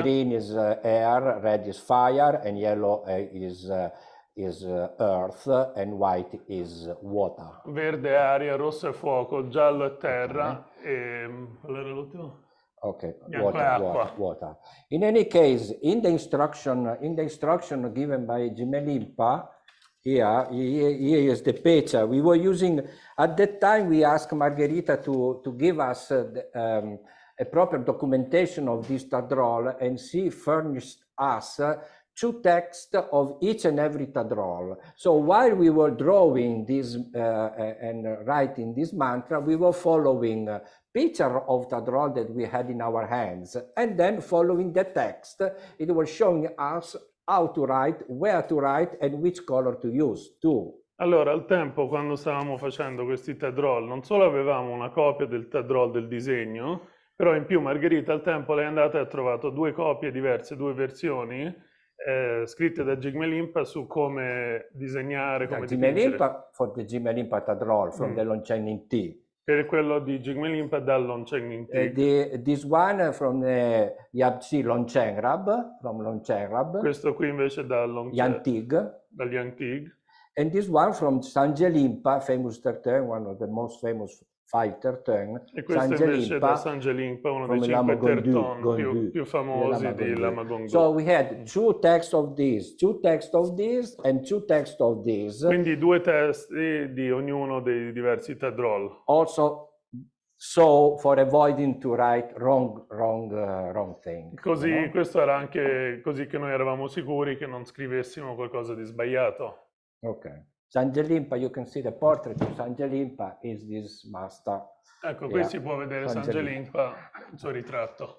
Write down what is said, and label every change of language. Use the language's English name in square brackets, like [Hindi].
[English] green is air, red is fire, and yellow is earth, and white is water. [Italian] Verde è aria, rosso è fuoco, giallo è terra [English] Okay. [Italian] e allora l'ultimo? Ok, Bianco è acqua. [English] water. In any case, in the instruction given by Jimmelimpa, here is the picture. We were using, at that time, we asked Margherita to give us a proper documentation of this tadrol and she furnished us two texts of each and every tadrol. So while we were drawing this and writing this mantra, we were following a picture of tadrol that we had in our hands. And then following the text, it was showing us how to write, where to write, and which color to use too. [Italian] Allora, al tempo, quando stavamo facendo questi tadrol, non solo avevamo una copia del tadrol del disegno, però in più, Margherita, al tempo, lei è andata e ha trovato due copie diverse, due versioni, scritte da Jigme Limpa su come disegnare, come dipingere. [English] Jigme Limpa, for the Jigme Limpa tadrol, from the Lon Chen Ning Ti. [Italian] Per quello di Jigme Limpa dal Lon Chen Ning Ti. [English] This one from the Yabzi Longchen Rab, from Longchen Rab. [Italian] Questo qui invece dal Lon Chen. Yang Tig. Dal Yang Tig. [English] And this one from Sanje Limpa, famous Tertön, one of the most famous fighter Tertön. [Italian] E questo Sanje invece Limpa, da Sanje Limpa, uno dei cinque Tertön più famosi di Lama Gondü. [English] So we had two texts of this, two texts of this, and two texts of this. [Italian] Quindi due testi di ognuno dei diversi tadrol. [English] Also, so for avoiding to write wrong thing. [Italian] Così, [English] you know? [Italian] Questo era anche così che noi eravamo sicuri che non scrivessimo qualcosa di sbagliato. Ok. [English] Sanje Limpa, you can see the portrait of Sanje Limpa is this master. [Italian] Ecco, qui si può vedere Sanje Limpa, il suo ritratto.